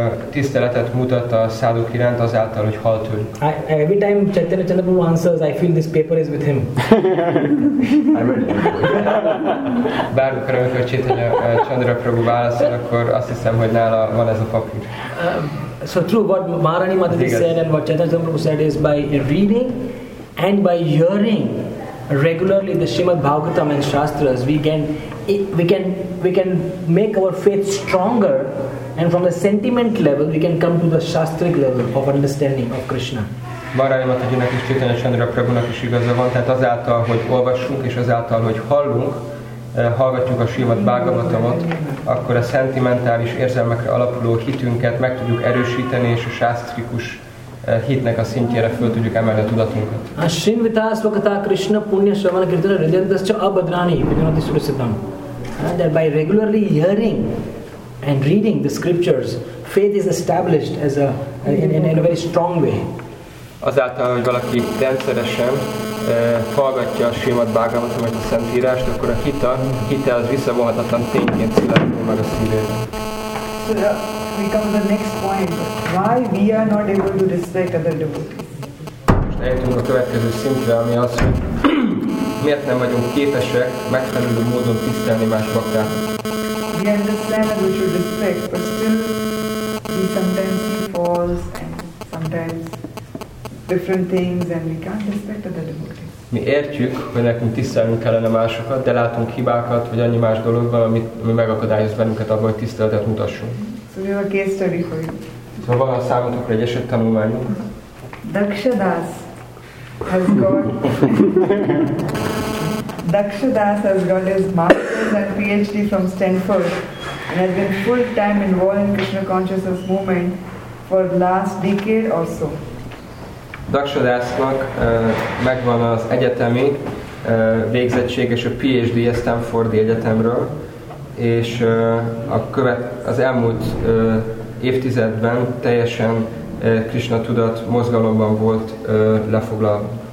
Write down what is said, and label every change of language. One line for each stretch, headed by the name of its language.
Hungarian: Tiszteletet mutat a száduk iránt azáltal, hogy hal tőlük.
English: Every time Chaitanya Chandrabhu answers, I feel this paper is with him.
Hungarian: Bármikor, amikor Chaitanya Chandrabhu válaszol, akkor azt hiszem, hogy nála van ez a papír.
English: So true, what Maharani Mataji said and what Chaitanya Chandrabhu said is by reading and by hearing regularly the Srimad Bhagavatam and Shastras, we can make our faith stronger. And from the sentiment level, we can come to the shastric level of understanding of Krishna.
Hungarian: Maharani Matajinak és Chaitanya Chandraprabhunak is igaza van, tehát azáltal, hogy olvassunk és azáltal, hogy hallunk, hallgatjuk a Srimad Bhagavatamot, akkor a szentimentális érzelmekre alapuló hitünket meg tudjuk erősíteni, és a shastrikus hitnek a szintjére föl tudjuk emelni a tudatunkat.
Sanskrit: A Srinvitaslokatá Krishna Punya Shravana Kirtana Rajantascha Abhadrani Vinyanati Surasiddham.
English: That by regularly hearing and reading the scriptures, faith is established as a in a very strong way.
Hungarian: Azáltal, hogy valaki rendszeresen hallgatja a Srimad Bhagavatam, vagy a Szentírást, akkor a hite az visszavonhatatlan tényként születik meg a szívében.
English: So, we come to the next point. Why we are not able to respect other devotees?
Hungarian: Most eljutunk a következő szintre, ami az, hogy miért nem vagyunk képesek megfelelő módon tisztelni más baktákat.
English: We understand that we should respect, but still we sometimes see faults and sometimes different things and we can't respect other devotees.
Hungarian: Mi értjük, hogy nekünk tisztelnünk kellene másokat, de látunk hibákat, vagy annyi más dologban, ami megakadályoz bennünket abban, hogy tiszteletet mutassunk.
English: So we have a case study for you.
Hungarian: Szóval van a számotokra egy eset tanulmányunk.
English: Daksha Das has got... Dakshadas has got his master's and PhD from Stanford and has been full-time involved in Krishna consciousness movement for the last decade or so.
Hungarian: Dakshadasnak megvan az egyetemi végzettség és a PhD Stanfordi egyetemről, és az elmúlt évtizedben teljesen Krishna tudat mozgalomban volt lefoglalva.